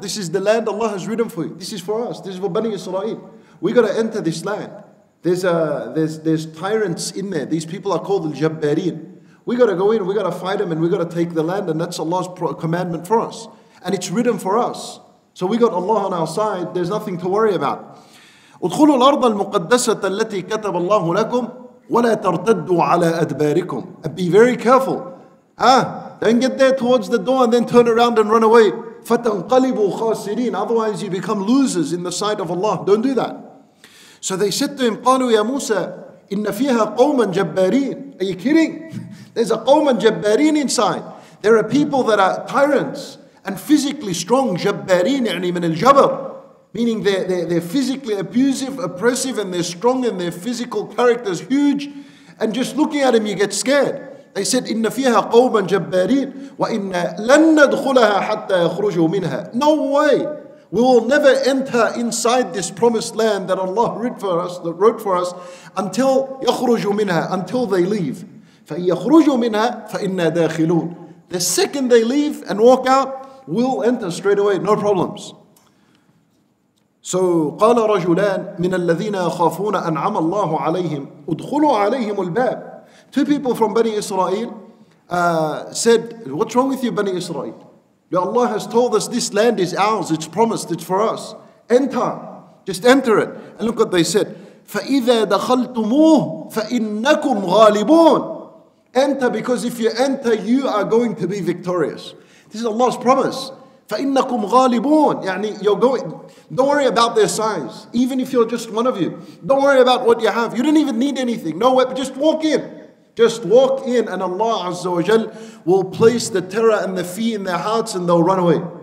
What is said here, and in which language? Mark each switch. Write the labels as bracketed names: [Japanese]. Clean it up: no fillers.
[English] This is the land Allah has written for you. This is for us. This is for Bani Israel. We got to enter this land. There's tyrants in there. These people are called al-jabbarin. We got to go in. We got to fight them, and we got to take the land. And that's Allah's commandment for us. And it's written for us. So we got Allah on our side. There's nothing to worry about. [Arabic] ادخلوا الأرض المقدسة التي كتب الله لكم ولا ترتدوا على أدباركم. [English] Be very careful. Don't get there towards the door and then turn around and run away. [Arabic] فتنقلبوا خاسرين. [English] Otherwise you become losers in the sight of Allah. Don't do that. So they said to him, [Arabic] قالوا يا موسى إن فيها قوما جبارين. [English] Are you kidding? There's a [Arabic] قوما جبارين [English] inside. There are people that are tyrants and physically strong. [Arabic] جبارين يعني من الجبر. [English] Meaning they're physically abusive, oppressive, and they're strong, and their physical character is huge. And just looking at him, you get scared. They said, [Arabic] إِنَّ فِيهَا قَوْمًا جَبَّارِينَ وَإِنَّ لَن نَدْخُلَهَا حَتَّى يَخْرُجُوا مِنْهَا. [English] No way. We will never enter inside this promised land that Allah wrote for us until [Arabic] يَخْرُجُوا مِنْهَا, [English] until they leave. [Arabic] فَإِنْ يَخْرُجُوا مِنْهَا فَإِنَّا دَاخِلُونَ. [English] The second they leave and walk out, we'll enter straight away, no problems. [Arabic] So قال رجلان من الذين يخافون أنعم الله عليهم ادخلوا عليهم الباب. [English] Two people from Bani Israel said, what's wrong with you, Bani Israel? Allah has told us this land is ours, it's promised, it's for us. Enter, just enter it. And look what they said. [Arabic] فإذا دخلتموه فإنكم غالبون. [English] Enter, because if you enter, you are going to be victorious. This is Allah's promise. [Arabic] فَإِنَّكُمْ غَالِبُونَ. [English] يعني you're going, don't worry about their size, even if you're just one of you. Don't worry about what you have. You don't even need anything. No weapon, just walk in. Just walk in, and Allah Azza wa Jal will place the terror and the fear in their hearts, and they'll run away.